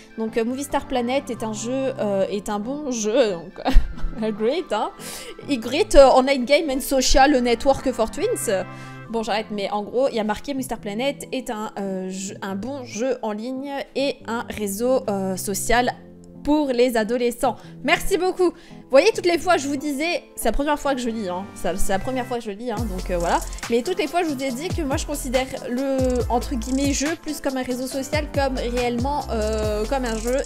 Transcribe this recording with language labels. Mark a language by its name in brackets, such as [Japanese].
[French] Donc Movistar Planet est un jeu, est un bon jeu, donc great, hein. [English] Great online game and social network for twins. [French] Bon, j'arrête, mais en gros, il y a marqué Movistar Planet est un bon jeu en ligne et un réseau social pour les adolescents. Merci beaucoup. Vous voyez, toutes les fois, je vous disais... C'est la première fois que je lis, hein. C'est la première fois que je lis, hein, donc voilà. Mais toutes les fois, je vous ai dit que moi, je considère le, entre guillemets, jeu plus comme un réseau social, comme réellement, comme un jeu.